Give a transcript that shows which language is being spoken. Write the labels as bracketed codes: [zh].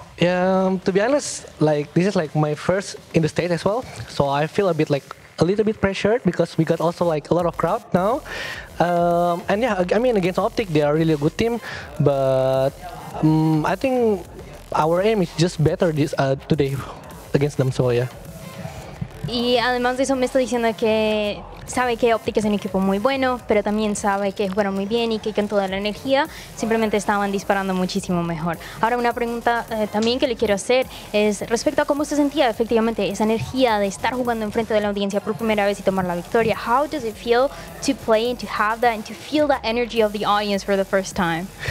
[en] To be honest, like this is like my first in the stage as well, so I feel a bit like a little bit pressured because we got also like a lot of crowd now. Against Optic, they are really a good team, but I think our aim is just better this today against them, so yeah. [es] Y además de eso me está diciendo que sabe que Optic es un equipo muy bueno, pero también sabe que jugaron muy bien y que con toda la energía simplemente estaban disparando muchísimo mejor. Ahora una pregunta también que le quiero hacer es respecto a cómo se sentía efectivamente esa energía de estar jugando enfrente de la audiencia por primera vez y tomar la victoria. [en] How does it feel to play and to have that and to feel that energy of the audience for the first time?